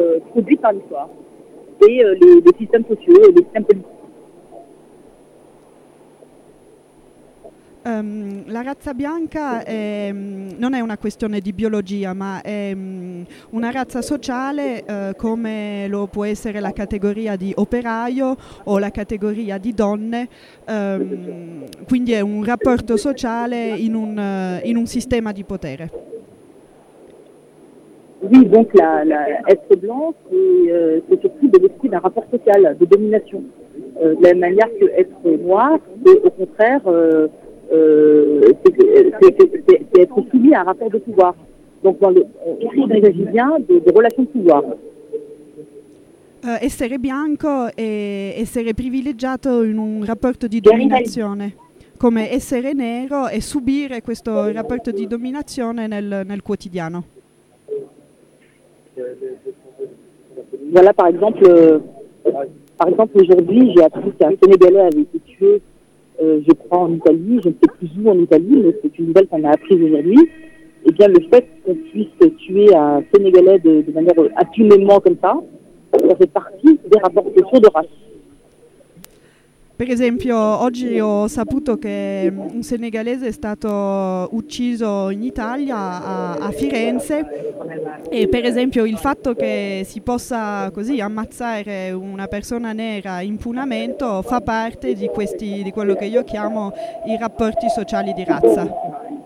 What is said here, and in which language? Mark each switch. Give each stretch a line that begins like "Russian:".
French: Produit par l'histoire et les systèmes sociaux et les systèmes politiques.
Italian: La razza bianca non è una questione di biologia, ma è una razza sociale come lo può essere la categoria di operaio o la categoria di donne, quindi è un rapporto sociale in un sistema di potere.
French: Oui, donc la être blanc, c'est surtout de l'esprit d'un rapport social, de domination. De la même manière que être noir, c'est au contraire, c'est être soumis à un rapport de pouvoir. Donc, il s'agit bien de relations de pouvoir.
Italian: Essere bianco e essere privilegiato in un rapporto di dominazione, come essere nero e subire questo rapporto di dominazione nel quotidiano.
French: Voilà, par exemple aujourd'hui, j'ai appris qu'un Sénégalais avait été tué, je crois, en Italie, je ne sais plus où en Italie, mais c'est une nouvelle qu'on a apprise aujourd'hui. Et bien, le fait qu'on puisse tuer un Sénégalais de manière assumément comme ça, ça fait partie des rapports sociaux de race.
Italian: Per esempio, oggi ho saputo che un senegalese è stato ucciso in Italia, a Firenze, e per esempio il fatto che si possa così ammazzare una persona nera in punamento fa parte di quello che io chiamo i rapporti sociali di razza.